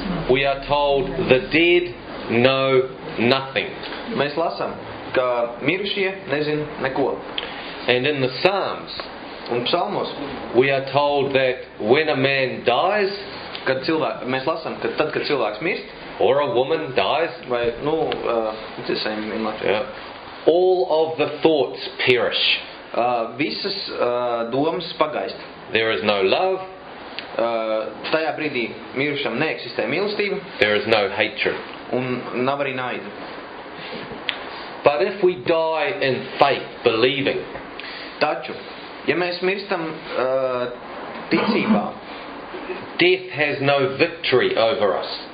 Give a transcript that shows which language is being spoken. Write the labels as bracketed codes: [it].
[en] We are told the dead know nothing. [lv] Mēs lasam, ka mirušie nezin neko. [en] And in the Psalms, [lv] un psalmos, [en] we are told that when a man dies, [lv] kad cilvēks, mēs lasam, ka tad, kad cilvēks mirst, [en] or a woman dies, vai, it's the same in Latvian. Yeah. All of the thoughts perish. [lv] Visas domas pagaist. [en] There is no love. [lv] Tajā brīdī mirušam neeksistē mīlestība. [en] There is no hatred. [lv] Un nav arī naida. [en] But if we die in faith, believing, [lv] taču, ja mēs mirstam ticībā, [en] death has no victory over us.